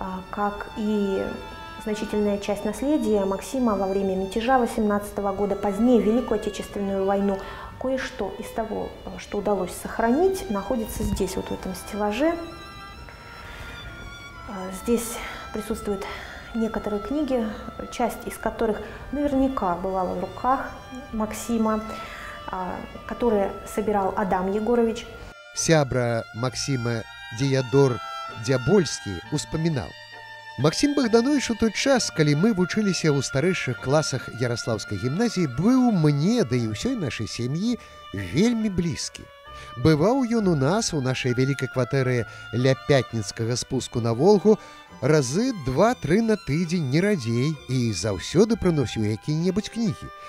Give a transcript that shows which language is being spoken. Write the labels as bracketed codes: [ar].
[ru] Как и значительная часть наследия Максима во время мятежа 18 года, позднее Великую Отечественную войну, кое-что из того, что удалось сохранить, находится здесь, вот в этом стеллаже. Здесь присутствуют некоторые книги, часть из которых наверняка бывала в руках Максима, которые собирал Адам Егорович. [be] Сябра Максима Діядор Дзябольський успоминал. Максім Богданович у той час, калі мы вучыліся ў старэйшых класах Яраслаўскай гімназіі, быў мне, да і ўсёй нашай сям'і, вельмі блізкі. Бываў ён у нас, у нашай вялікай кватэры ля Пятніцкага спуску на Волгу, разы 2-3 на тыдзень, не радзей, і заўсёды прыносіў якія-небудзь кнігі.